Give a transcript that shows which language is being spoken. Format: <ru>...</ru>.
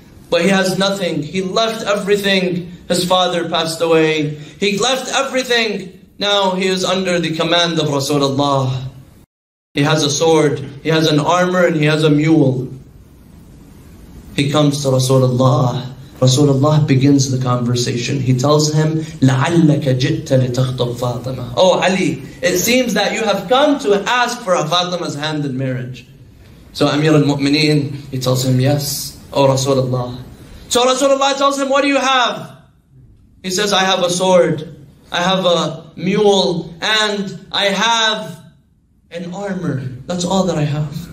<en>But he has nothing. He left everything. His father passed away. He left everything. Now he is under the command of Rasulullah. He has a sword, he has an armor, and he has a mule. He comes to Rasulullah. Rasulullah begins the conversation. He tells him,</en> <ar>لَعَلَّكَ جِئْتَ لِتَخْطُبْ فَاطِمَةً.</ar> <en>Oh Ali, it seems that you have come to ask for Fatima's hand in marriage. So Amir al-Mu'mineen, he tells him, yes, oh Rasulullah. So Rasulullah tells him, what do you have? He says, I have a sword, I have a mule, and I have an armor. That's all that I have.</en>